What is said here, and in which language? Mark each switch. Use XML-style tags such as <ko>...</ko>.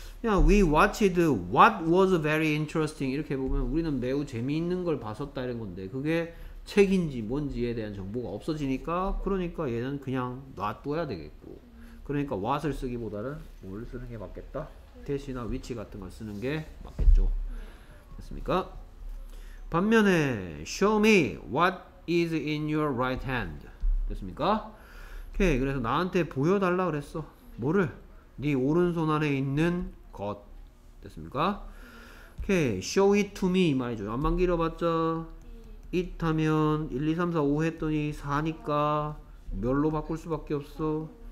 <ko>그냥</ko> <en>we watched what was very interesting</en> <ko>이렇게 보면 우리는 매우 재미있는 걸 봤었다 이런 건데 그게 책인지 뭔지에 대한 정보가 없어지니까 그러니까 얘는 그냥 놔둬야 되겠고 그러니까 what을 쓰기보다는 뭘 쓰는 게 맞겠다. 대시나 위치 같은 걸 쓰는 게 맞겠죠. 됐습니까? 반면에</ko> <en>show me what is in your right hand.</en> <ko>됐습니까? 오케이. 그래서 나한테 보여달라 그랬어. 뭐를? 네 오른손 안에 있는 것. 됐습니까? 오케이.</ko> <en>show it to me</en> <ko>이 말이죠. 안만 길어봤자 it 하면 1, 2, 3, 4, 5 했더니 4니까 몇로 바꿀 수밖에 없어.</ko>